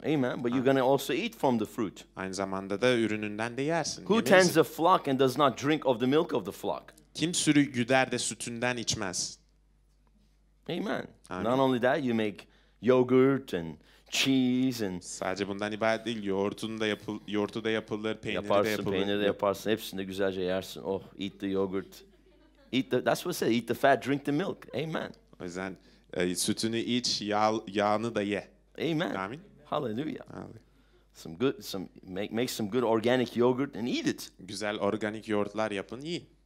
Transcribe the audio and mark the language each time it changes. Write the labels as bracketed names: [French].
[English] Amen. But you're going to also eat from the fruit. [Turkish] Aynı zamanda da ürününden de yersin. [English] Who tends a flock and does not drink of the milk of the flock? [Turkish] Kim sürü güder de sütünden içmez? [English] Amen. Amen. Not only that, you make yogurt and cheese and... [Turkish] Sadece bundan ibaret değil, yoğurtu da yapılır, peyniri yaparsın, de yapılır. Peyniri de yaparsın, hepsini de güzelce yersin. [English] Oh, eat the yogurt. That's what it says, eat the fat, drink the milk. Amen. [Turkish] O yüzden sütünü iç, yağını da ye. [English] Amen. Amen. Hallelujah. Amen. Make some good organic yogurt and eat it. [Turkish] Güzel organik yoğurtlar yapın, yiyin.